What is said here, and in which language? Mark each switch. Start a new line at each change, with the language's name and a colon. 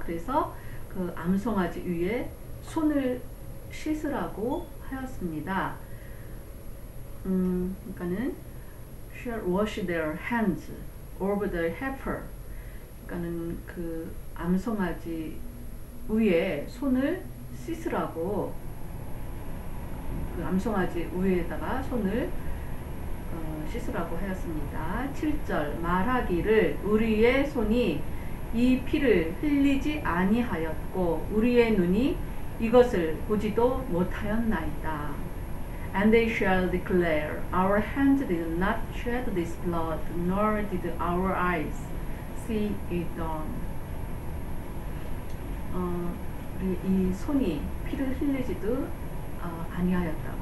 Korean: 그래서 그 암송아지 위에 손을 씻으라고 하였습니다. 그러니까는
English: shall wash their hands over the heifer.
Korean: 그러니까는 그 암송아지 위에 손을 씻으라고 그 암송아지 위에다가 손을 씻으라고 하였습니다. 7절 말하기를 우리의 손이 이 피를 흘리지 아니하였고 우리의 눈이 이것을 보지도 못하였나이다.
English: And they shall declare, Our hands did not shed this blood, nor did our eyes see it done.
Korean: 이 손이 피를 흘리지도 아니하였다.